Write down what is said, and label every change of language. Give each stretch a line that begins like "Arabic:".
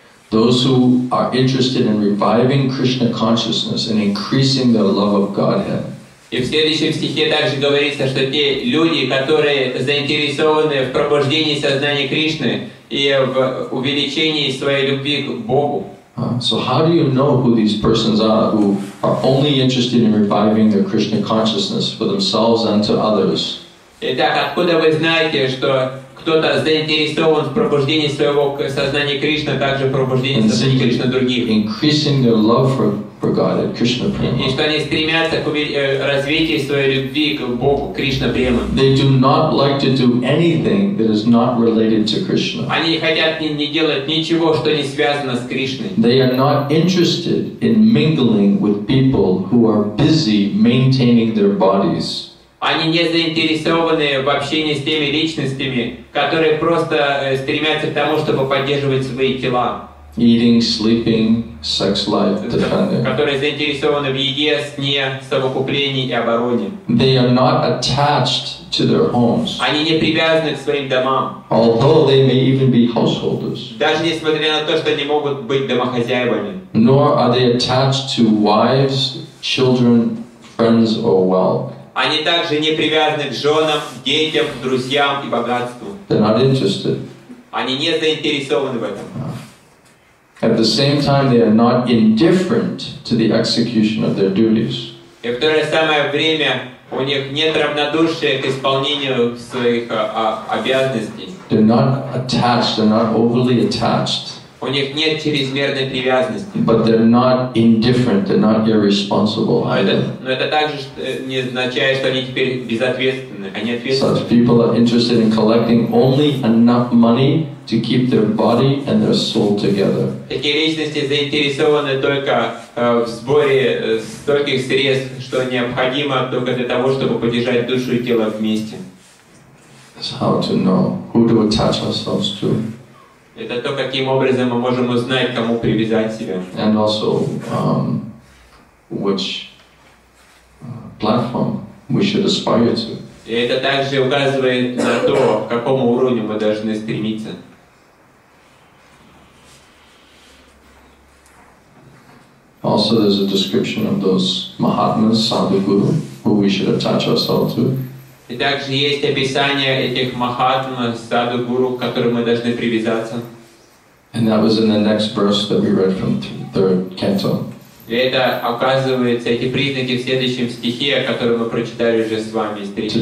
English: Those who are interested in reviving Krishna consciousness and increasing their love of Godhead.
Russian: И в следующем стихе также говорится, что те люди, которые заинтересованы в пробуждении сознания Кришны и в увеличении своей любви к Богу.
English: So how do you know who these persons are who are only interested in reviving their Krishna consciousness for themselves and to others?
Russian: Итак, откуда вы знаете, что кто-то заинтересован в пробуждении своего сознания Кришны, также в пробуждении сознания Кришны других.
English: Increasing their love for God, Krishna Prema.
Russian: И что они стремятся к развитию своей любви к Богу, Кришна Према.
English: They do not like to do anything that is not related to Krishna.
Russian: Они не хотят не делать ничего, что не связано с Кришной.
English: They are not interested in mingling with people who are busy maintaining their bodies.
Russian: Они не заинтересованы в общении с теми личностями, которые просто стремятся к тому, чтобы поддерживать свои тела.
English: Eating, sleeping, sex life,
Russian: которые заинтересованы в еде, сне, совокуплении и обороне.
English: They are not attached to their homes.
Russian: Они не привязаны к своим домам.
English: Although they may even be householders.
Russian: Даже несмотря на то, что они могут быть домохозяевами.
English: Nor are they attached to wives, children, friends or wealth.
Russian: Они также не привязаны к женам, детям, друзьям и богатству.
English: They're not interested.
Russian: Они не заинтересованы в этом.
English: At the same time, they are not indifferent to the execution of their duties.
Russian: И в то же самое время у них нет равнодушия к исполнению своих обязанностей.
English: They're not attached. They're not overly attached.
Russian: У них нет чрезмерной привязанности.
English: But they're not indifferent, they're not irresponsible either.
Russian: Но это также не означает, что они теперь безответственны, они ответственны.
English: Such people are interested in collecting only enough money to keep their body and their soul together.
Russian: Такие личности заинтересованы только в сборе стольких средств, что необходимо только для того, чтобы поддержать душу и тело вместе.
English: It's how to know who to attach ourselves to.
Russian: Это то, каким образом мы можем узнать, кому привязать себя.
English: And also, which platform we should aspire to.
Russian: И это также указывает на то, к какому уровню мы должны стремиться.
English: Also, there's a description of those mahatmas, sadhu guru, who we should attach ourselves to.
Russian: И также есть описание этих махатм, саду гуру, к которым мы должны привязаться.
English: And that was in the next verse that we read from the third canto.
Russian: Это оказывается эти признаки в следующем стихе, о котором мы прочитали уже с вами из третьей